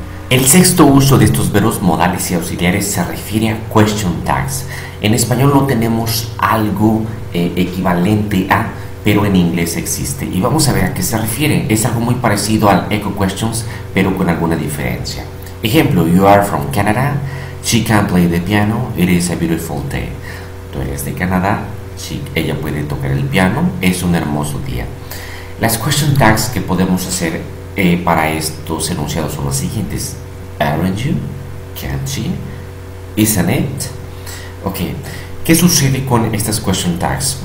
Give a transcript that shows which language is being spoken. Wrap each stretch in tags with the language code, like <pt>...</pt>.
<es>El sexto uso de estos verbos modales y auxiliares se refiere a question tags. En español no tenemos algo equivalente a, pero en inglés existe. Y vamos a ver a qué se refiere. Es algo muy parecido al echo questions, pero con alguna diferencia.</es> <en>Ejemplo, you are from Canada, she can play the piano, it is a beautiful day.</en> <es>Tú eres de Canadá, sí, ella puede tocar el piano, es un hermoso día. Las question tags que podemos hacer para estos enunciados son los siguientes: aren't you? Can't she? Isn't it? Ok, ¿qué sucede con estas question tags?</es>